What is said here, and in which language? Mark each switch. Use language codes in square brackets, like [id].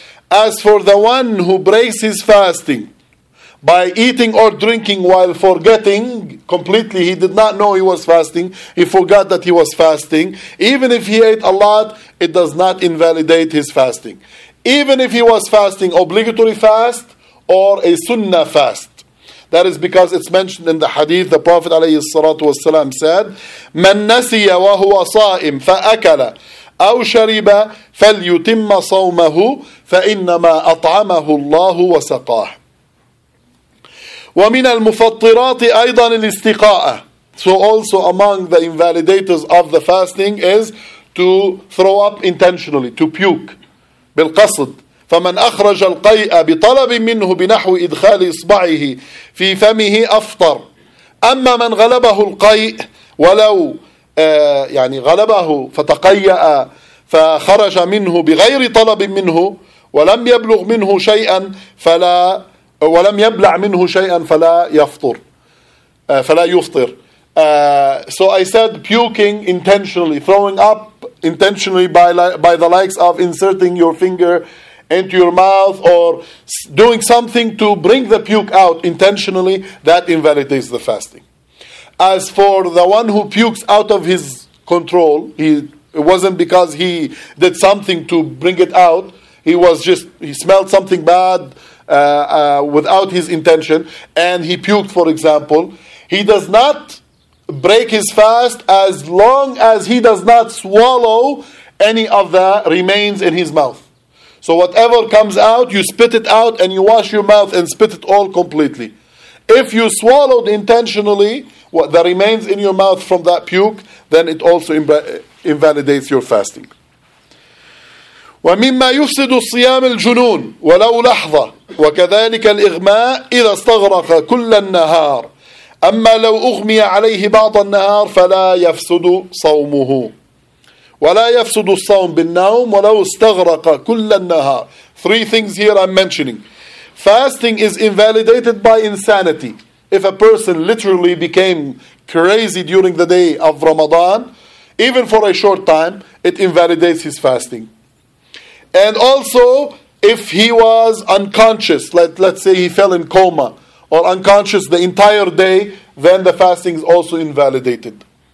[en] As for the one who breaks his fasting by eating or drinking while forgetting completely, he did not know he was fasting, he forgot that he was fasting, even if he ate a lot, it does not invalidate his fasting. Even if he was fasting obligatory fast or a sunnah fast. That is because it's mentioned in the hadith, the Prophet ﷺ said, [ar] مَنْ نَسِيَ وَهُوَ صَائِمْ فَأَكَلَ أَوْ شَرِبَ فَلْيُتِمَّ صَوْمَهُ فَإِنَّمَا أَطْعَمَهُ اللَّهُ وَسَقَاهُ. ومن المفطرات أيضا الاستقاء. [en] So also among the invalidators of the fasting is to throw up intentionally, to puke. [ar] بالقصد. فمن أخرج القيء بطلب منه بنحو إدخال إصبعه في فمه أفطر. أما من غلبه القيء ولو يعني غلبه فتقيأ فخرج منه بغير طلب منه ولم يبلغ منه شيئا فلا ولم يبلع منه شيئا فلا يفطر فلا يفطر. [en] So I said puking intentionally, throwing up intentionally by the likes of inserting your finger into your mouth or doing something to bring the puke out intentionally, that invalidates the fasting. As for the one who pukes out of his control, it wasn't because he did something to bring it out, he smelled something bad without his intention, and he puked, for example, he does not break his fast as long as he does not swallow any of the remains in his mouth. So whatever comes out, you spit it out and you wash your mouth and spit it all completely. If you swallowed intentionally what the remains in your mouth from that puke, then it also invalidates your fasting. [ar] وَمِمَّا يُفْسِدُ الصِّيَامِ الْجُنُونِ وَلَوْ لَحْظَةً وَكَذَلِكَ الْإِغْمَاءِ إِذَا اسْتَغْرَقَ كُلَّ النَّهَارِ أما لو أغمي عليه بعض النهار فلا يفسد صومه ولا يفسد الصوم بالنوم ولو استغرق كل النهار. [en] Three things here I'm mentioning. Fasting is invalidated by insanity. If a person literally became crazy during the day of Ramadan, even for a short time, it invalidates his fasting. And also, if he was unconscious, let's say he fell in coma, or unconscious the entire day, then the fasting is also invalidated.